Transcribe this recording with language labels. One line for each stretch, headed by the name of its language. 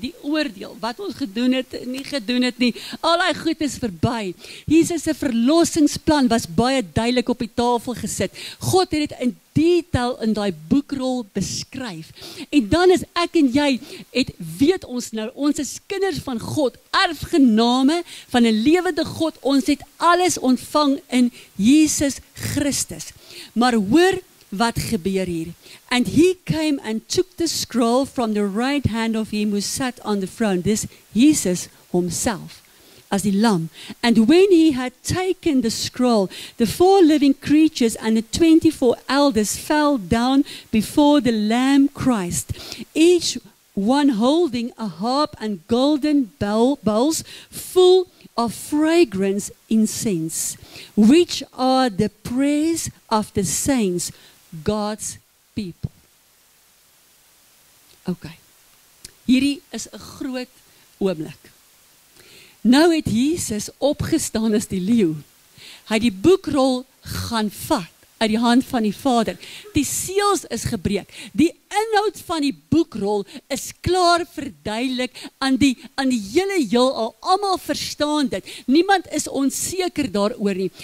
Afrikaans: Die oordeel, wat ons gedoen het, nie gedoen het nie. Al die goed is voorbij. Jesus' verlossingsplan was baie duidelijk op die tafel gezet. God het in detail in die boekrol beskryf. En dan is ek en jy, het weet ons nou, ons is kinders van God, erfgename van een levende God. Ons het alles ontvang in Jesus Christus. Maar hoor, wat gebeur hier?
English: And he came and took the scroll from the right hand of him who sat on the throne. This Jesus himself, as the lamb. And when he had taken the scroll, the four living creatures and the 24 elders fell down before the lamb Christ, each one holding a harp and golden bowls full of fragrance incense, which are the prayers of the saints, God's people. Oké. Okay.
Afrikaans: Hierdie is een groot oomblik. Nou het Jesus opgestaan as die leeu. Hy die boekrol gaan vat uit die hand van die Vader. Die seels is gebreek. Die inhoud van die boekrol is klaar verduidelik aan die hele heelal. Almal verstaan dit. Niemand is onseker daaroor nie.